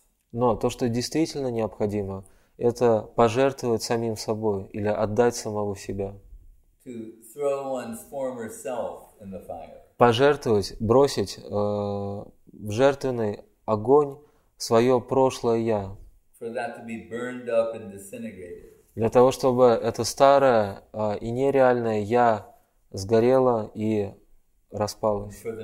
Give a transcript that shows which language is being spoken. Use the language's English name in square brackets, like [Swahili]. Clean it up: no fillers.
[Russian] Но то, что действительно необходимо, это пожертвовать самим собой или отдать самого себя. [English] To throw one's former self in the fire. [Russian] Пожертвовать, бросить в жертвенный огонь свое прошлое «я». [English] For that to be burned up and disintegrated. [Russian] Для того, чтобы это старое и нереальное «я» сгорело и распалось.